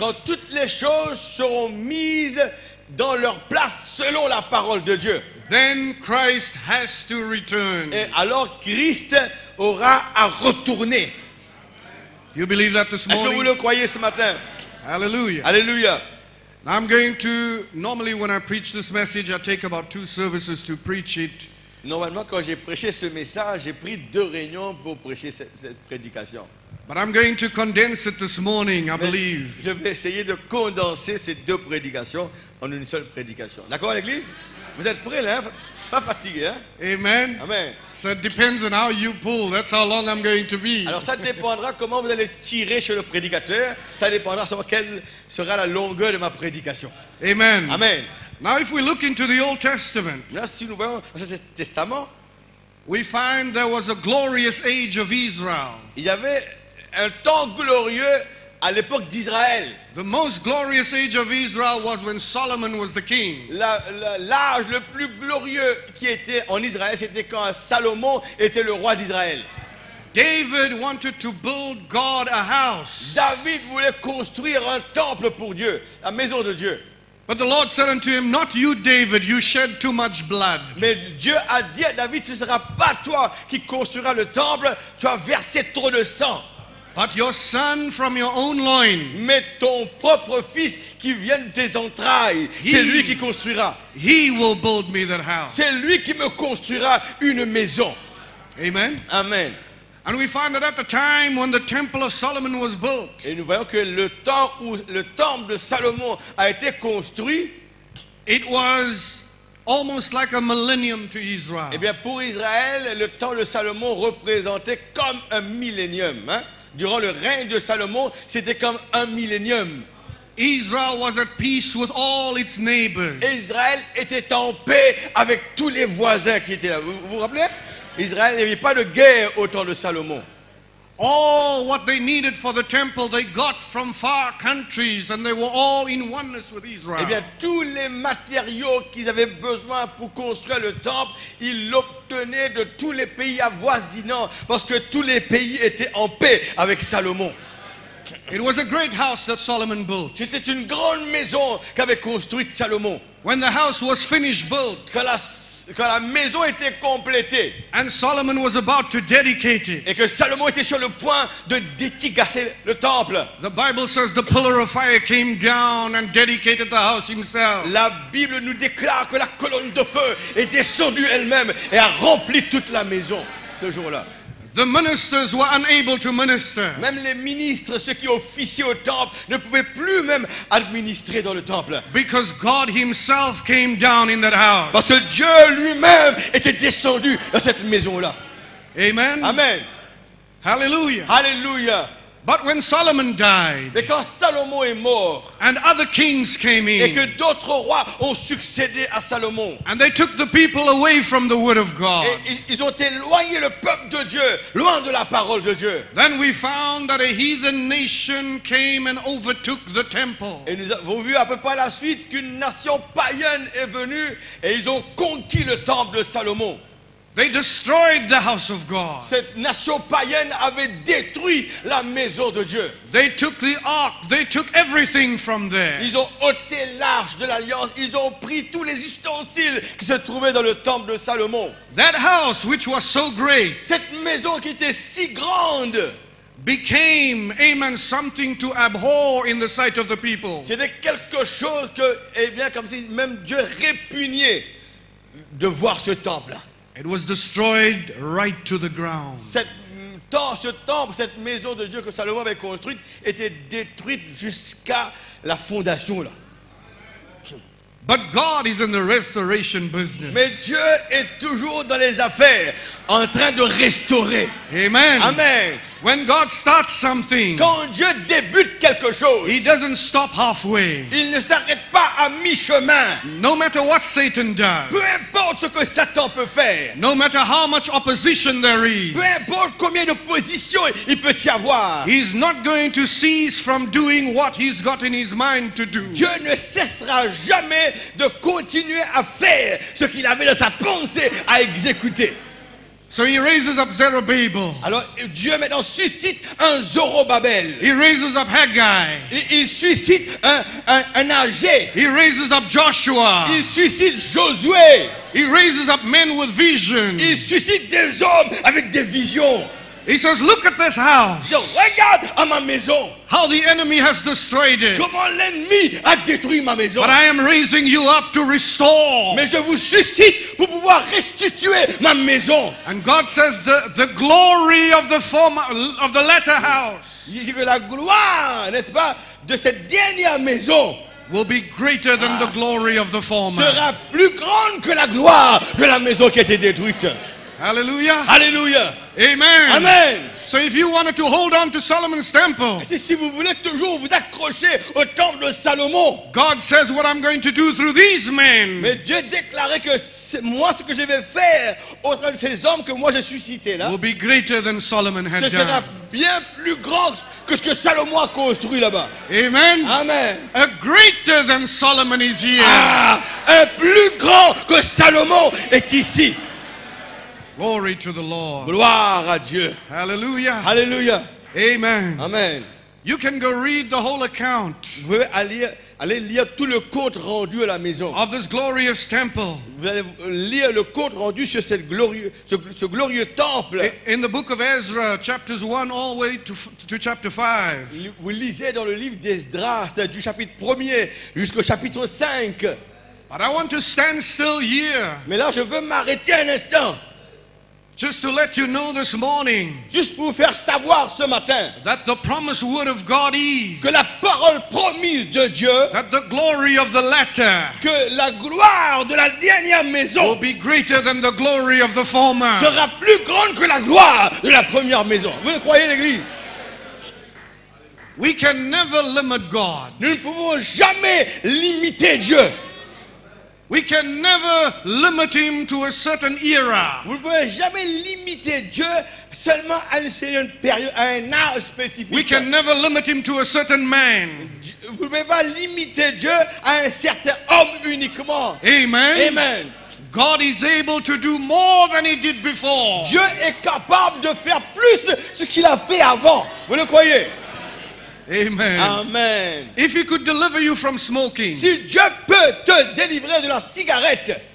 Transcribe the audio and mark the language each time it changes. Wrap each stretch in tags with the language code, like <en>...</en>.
<fr>Quand toutes les choses seront mises dans leur place selon la parole de Dieu.</fr> <en>Then Christ has to return.</en> <fr>Et alors Christ aura à retourner.</fr> <en>You believe that this morning?</en> <fr>Est-ce que vous le croyez ce matin? Hallelujah. Hallelujah.</fr> <en>Now I'm going to normally when I preach this message I take about two services to preach it.</en> <fr>Normalement, quand j'ai prêché ce message, j'ai pris deux réunions pour prêcher cette prédication.</fr> <en>But I'm going to condense it this morning, I believe.</en> <fr>Je vais essayer de condenser ces deux prédications en une seule prédication. D'accord, l'Église? Vous êtes prêts, là? Pas fatigué, hein? Amen. Amen.</fr> <en>So it depends on how you pull. That's how long I'm going to be.</en> <fr>Alors, ça dépendra comment vous allez tirer chez le prédicateur. Ça dépendra sur quelle sera la longueur de ma prédication. Amen. Amen.</fr> <en>Now, if we look into the Old Testament,</en> <fr>là, si nous voyons le Testament,</fr> <en>we find there was a glorious age of Israel.</en> <fr>Il y avait un temps glorieux à l'époque d'Israël.</fr> <en>The most glorious age of Israel was when Solomon was the king.</en> <fr>L'âge le plus glorieux qui était en Israël, c'était quand Salomon était le roi d'Israël.</fr> <en>David wanted to build God a house.</en> <fr>David voulait construire un temple pour Dieu, la maison de Dieu.</fr> <en>But the Lord said unto him, "Not you, David. You shed too much blood."</en> <fr>Mais Dieu a dit à David, ce sera pas toi qui construira le temple. Tu as versé trop de sang.</fr> <en>But your son from your own loins.</en> <fr>Mais ton propre fils qui vient de tes entrailles, c'est lui qui construira.</fr> <en>He will build me that house.</en> <fr>C'est lui qui me construira une maison. Amen. Amen.</fr> <en>And we find that at the time when the temple of Solomon was built.</en> <fr>Et nous voyons que le temps où le temple de Salomon a été construit, it was almost like a millennium to Israel. Eh bien, pour Israël, le temps de Salomon représentait comme un millénium. Hein? Durant le règne de Salomon, c'était comme un millénium.</fr> <en>Israel was at peace with all its neighbors.</en> <fr>Israël était en paix avec tous les voisins qui étaient là. Vous vous rappelez? Israël n'avait pas de guerre au temps de Salomon.</fr> <en>All what they needed for the temple they got from far countries and they were all in oneness with Israel.</en> <fr>Eh bien tous les matériaux qu'ils avaient besoin pour construire le temple, ils l'obtenaient de tous les pays avoisinants parce que tous les pays étaient en paix avec Salomon.</fr> <en>It was a great house that Solomon built.</en> <fr>C'était une grande maison qu'avait construite Salomon.</fr> <en>When the house was finished built.</en> <fr>Quand la maison était complétée,</fr> <en>and Solomon was about to dedicate it,</en> <fr>et que Salomon était sur le point de dédicacer le temple,</fr> <en>the Bible says the pillar of fire came down and dedicated the house himself.</en> <fr>La Bible nous déclare que la colonne de feu est descendue elle-même et a rempli toute la maison ce jour-là.</fr> <en>The ministers were unable to minister.</en> <fr>Même les ministres, ceux qui officiaient au temple, ne pouvaient plus même administrer dans le temple.</fr> <en>Because God himself came down in that house.</en> <fr>Parce que Dieu lui-même était descendu dans cette maison-là. Amen. Amen. Hallelujah. Hallelujah.</fr> <en>But when Solomon died,</en> <fr>mais quand Salomon est mort,</fr> <en>and other kings came in,</en> <fr>et que d'autres rois ont succédé à Salomon,</fr> <en>and they took the people away from the word of God,</en> <fr>et ils ont éloigné le peuple de Dieu, loin de la parole de Dieu.</fr> <en>Then we found that a heathen nation came and overtook the temple.</en> <fr>Et nous avons vu à peu près la suite qu'une nation païenne est venue et ils ont conquis le temple de Salomon.</fr> <en>They destroyed the house of God.</en> <fr>Cette nation païenne avait détruit la maison de Dieu.</fr> <en>They took the ark. They took everything from there.</en> <fr>Ils ont ôté l'arche de l'alliance. Ils ont pris tous les ustensiles qui se trouvaient dans le temple de Salomon.</fr> <en>That house which was so great.</en> <fr>Cette maison qui était si grande.</fr> <en>Became, amen, something to abhor in the sight of the people.</en> <fr>C'était quelque chose que, eh bien, comme si même Dieu répugnait de voir ce temple.</fr> <en>It was destroyed right to the ground.</en> <fr>Ce temple, cette maison de Dieu que Salomon avait construite, était détruite jusqu'à la fondation là.</fr> <en>But God is in the restoration business.</en> <fr>Mais Dieu est toujours dans les affaires, en train de restaurer. Amen. Amen.</fr> <en>When God starts something,</en> <fr>quand Dieu débute quelque chose,</fr> <en>He doesn't stop halfway.</en> <fr>Il ne s'arrête pas à mi-chemin.</fr> <en>No matter what Satan does,</en> <fr>peu importe ce que Satan peut faire,</fr> <en>no matter how much opposition there is,</en> <fr>peu importe combien d'opposition il peut y avoir,</fr> <en>He's not going to cease from doing what He's got in His mind to do.</en> <fr>Dieu ne cessera jamais de continuer à faire ce qu'il avait dans sa pensée à exécuter.</fr> <en>So he raises up Zerubbabel.</en> <fr>Alors Dieu maintenant suscite un Zorobabel.</fr> <en>He raises up Haggai.</en> <fr>Il suscite un Agé.</fr> <en>He raises up Joshua.</en> <fr>Il suscite Josué.</fr> <en>He raises up men with vision.</en> <fr>Il suscite des hommes avec des visions.</fr> <en>He says, "Look at this house."</en> <fr>Yo, regarde à ma maison.</fr> <en>How the enemy has destroyed it.</en> <fr>Comment l'ennemi a détruit ma maison.</fr> <en>But I am raising you up to restore.</en> <fr>Mais je vous suscite pour pouvoir restituer ma maison.</fr> <en>And God says, "The glory of the former, of the latter house."</en> <fr>Il dit que la gloire, n'est-ce pas, de cette dernière maison</fr> <en>will be greater than the glory of the former.</en> <fr>Sera plus grande que la gloire de la maison qui a été détruite. Hallelujah. Hallelujah. Amen. Amen.</fr> <en>So if you wanted to hold on to Solomon's temple,</en> <fr>si vous voulez toujours vous accrocher au temple de Salomon,</fr> <en>God says what I'm going to do through these men.</en> <fr>Mais Dieu déclarait que moi ce que je vais faire au sein de ces hommes que moi j'ai suscité là,</fr> <en>will be greater than Solomon had done.</en> <fr>Ce sera bien plus grand que ce que Salomon a construit là-bas. Amen. Amen.</fr> <en>A greater than Solomon is here.</en> <fr>Un plus grand que Salomon est ici.</fr> <en>Glory to the Lord.</en> <fr>Gloire à Dieu. Hallelujah. Hallelujah. Amen. Amen.</fr> <en>You can go read the whole account.</en> <fr>Vous pouvez aller lire tout le compte rendu à la maison.</fr> <en>Of this glorious temple.</en> <fr>Vous allez lire le compte rendu sur cette glorieux, ce glorieux temple.</fr> <en>In the book of Ezra, chapters 1 all the way to chapter 5.</en> <fr>Vous lisez dans le livre d'Esdras, c'est du chapitre 1er jusqu'au chapitre 5.</fr> <en>But I want to stand still here.</en> <fr>Mais là, je veux m'arrêter un instant.</fr> <en>Just to let you know this morning,</en> <fr>juste pour vous faire savoir ce matin,</fr> <en>that the promised word of God is,</en> <fr>que la parole promise de Dieu,</fr> <en>that the glory of the latter,</en> <fr>que la gloire de la dernière maison,</fr> <en>will be greater than the glory of the former,</en> <fr>sera plus grande que la gloire de la première maison. Vous le croyez, l'Église?</fr> <en>We can never limit God.</en> <fr>Nous ne pouvons jamais limiter Dieu.</fr> <en>We can never limit him to a certain era.</en> <fr>Vous ne pouvez jamais limiter Dieu seulement à une période, à un âge spécifique.</fr> <en>We can never limit him to a certain man.</en> <fr>Vous ne pouvez pas limiter Dieu à un certain homme uniquement. Amen. Amen.</fr> <en>God is able to do more than he did before.</en> <fr>Dieu est capable de faire plus ce qu'il a fait avant. Vous le croyez? Amen. Amen.</fr> <en>If he could deliver you from smoking,</en> <fr>si Dieu peut te délivrer de la cigarette,</fr>